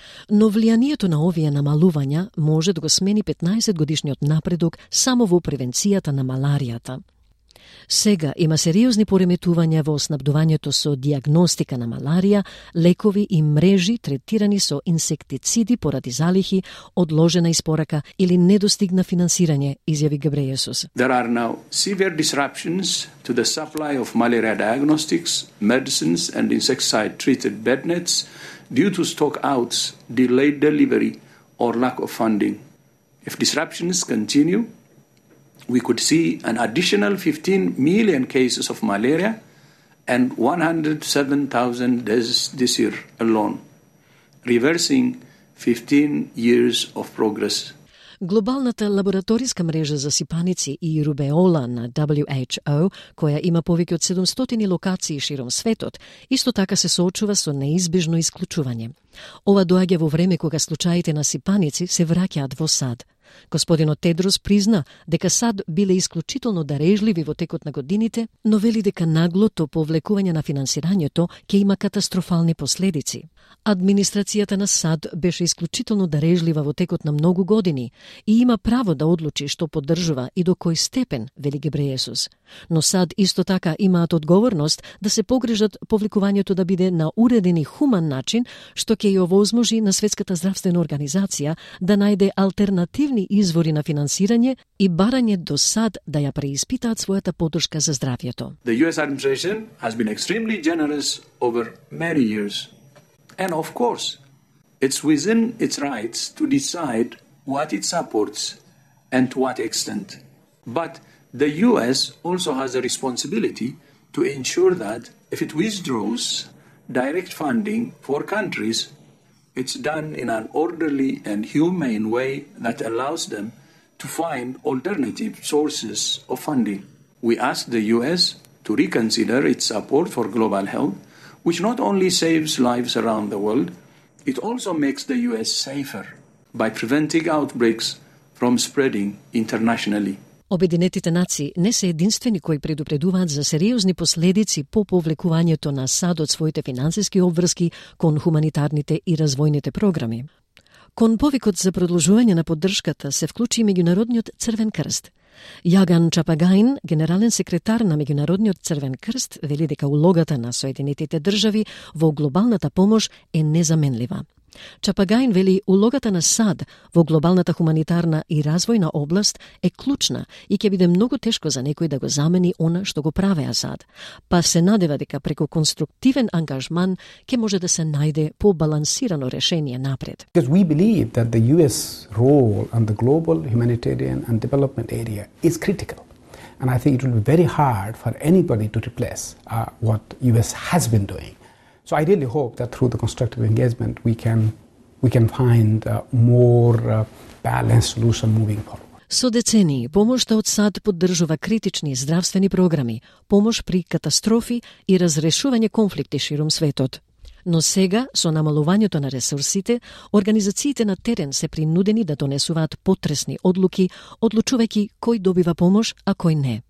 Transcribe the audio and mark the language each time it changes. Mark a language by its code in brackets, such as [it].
[mk] Но влијанието на овие намалувања може да го смени 15-годишниот напредок само во превенцијата на маларијата. Сега има сериозни пореметувања во снабдувањето со диагностика на маларија, лекови и мрежи третирани со инсектициди поради залихи, одложена испорака или недостигна финансирање, изјави Гебрејесус. [en] There are now severe disruptions to the supply of malaria diagnostics, medicines and insecticide treated bed nets due to stock outs, delayed delivery or lack of funding. If disruptions continue, we could see an additional 15 million cases of malaria and 107,000 deaths this year alone, reversing 15 years of progress. [mk] Глобалната лабораториска мрежа за сипаници и рубеола на WHO, која има повеќе од 700 локации широм светот, исто така се соочува со неизбежно исклучување. Ова доаѓа во време кога случаите на сипаници се враќаат во САД. Господинот Тедрос призна дека САД биле исклучително дарежливи во текот на годините, но вели дека наглото повлекување на финансирањето ќе има катастрофални последици. Администрацијата на САД беше исклучително дарежлива во текот на многу години и има право да одлучи што поддржува и до кој степен, вели Гебрејесус. Но САД исто така имаат одговорност да се погрижат повлекувањето да биде на уреден и хуман начин, што ќе ја овозможи на Светската здравствена организација да најде алтернативни извори на финансирање и барање до САД да ја преиспитаат својата подршка за здравјето. [en] The US administration has been extremely generous over many years. And of course, it's within its rights to decide what it supports and to what extent. But the US also has a responsibility to ensure that if it withdraws direct funding for countries, it's done in an orderly and humane way that allows them to find alternative sources of funding. We ask the US to reconsider its support for global health, which not only saves lives around the world, it also makes the US safer by preventing outbreaks from spreading internationally. [mk] Обединетите нации не се единствени кои предупредуваат за сериозни последици по повлекувањето на САД од своите финансиски обврски кон хуманитарните и развојните програми. Кон повикот за продолжување на поддршката се вклучи и Меѓународниот Црвен крст. Јаган Чапагаин, генерален секретар на Меѓународниот Црвен крст, вели дека улогата на Соединетите држави во глобалната помош е незаменлива. Чапагаин вели улогата на САД во глобалната хуманитарна и развојна област е клучна и ќе биде многу тешко за некој да го замени она што го правеа САД, па се надева дека преку конструктивен ангажман ќе може да се најде побалансирано решение напред. [en] Because we believe that the US role on the global humanitarian and development area is critical. And I think it will be very hard for anybody to replace what US has been doing. So I really hope that through the constructive engagement we can find a more balanced solution moving forward. [mk] Со децении, помошта од САД поддржува критични здравствени програми, помош при катастрофи и разрешување конфликти широм светот. Но сега, со намалувањето на ресурсите, организациите на терен се принудени да донесуваат потресни одлуки, одлучувајќи кој добива помош, а кој не.